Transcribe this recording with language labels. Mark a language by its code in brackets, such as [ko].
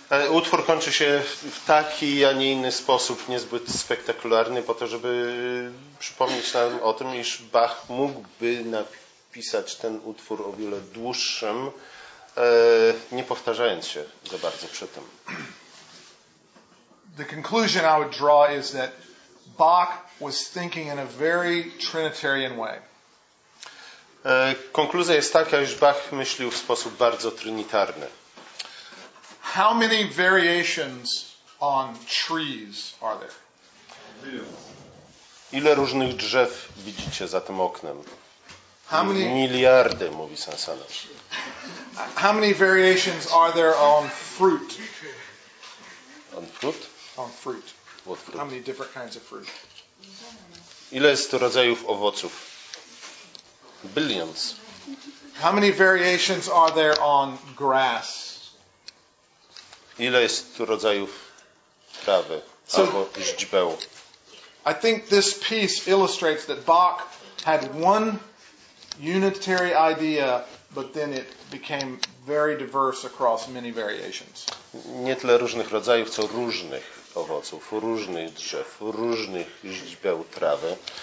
[pl] Utwór kończy się w taki, a nie inny sposób, niezbyt spektakularny, po to, żeby przypomnieć nam o tym, iż Bach mógłby napisać ten utwór o wiele dłuższym, nie powtarzając się za bardzo przy tym. [en] The conclusion I would draw is that Bach was thinking in a very Trinitarian way. [pl] Konkluzja jest taka, iż Bach myślił w sposób bardzo trynitarny. [en] How many variations on trees are there? [pl] Ile różnych drzew widzicie za tym oknem? Miliardy, mówi Sansana. [en] How many variations are there on fruit? On fruit? On fruit. What fruit? How many different kinds of fruit? [pl] Ile jest rodzajów owoców? [en] Billions. How many variations are there on grass? [pl] Ile jest rodzajów trawy albo źdźbeł? [en] I think this piece illustrates that Bach had one unitary idea, but then it became very diverse across many variations. [pl] Nie tyle różnych rodzajów, co różnych owoców, różnych drzew, różnych źdźbeł trawy.